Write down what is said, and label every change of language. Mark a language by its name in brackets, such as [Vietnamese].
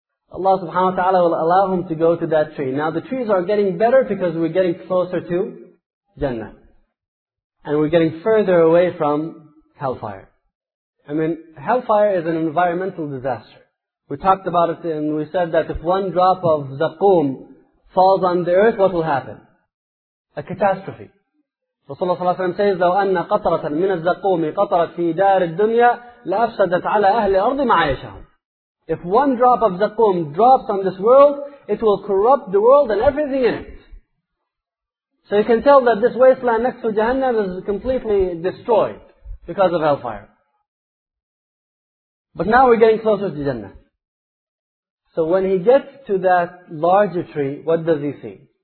[English] Allah subhanahu wa ta'ala will allow him to go to that tree. Now the trees are getting better because we're getting closer to Jannah. And we're getting further away from hellfire. I mean, hellfire is an environmental disaster. We talked about it and we said that if one drop of zaqoom falls on the earth, what will happen? A catastrophe. [Arabic] Rasulullah صلى الله عليه وسلم [English] says, [Arabic] لو أن قطرة من الزقوم قطرت في دار الدنيا لأفسدت على أهل الأرض معايشهم. [English] If one drop of zaqoom drops on this world, it will corrupt the world and everything in it. So you can tell that this wasteland next to Jahannam is completely destroyed because of hellfire. But now we're getting closer to Jannah. So when he gets to that larger tree, what does he see?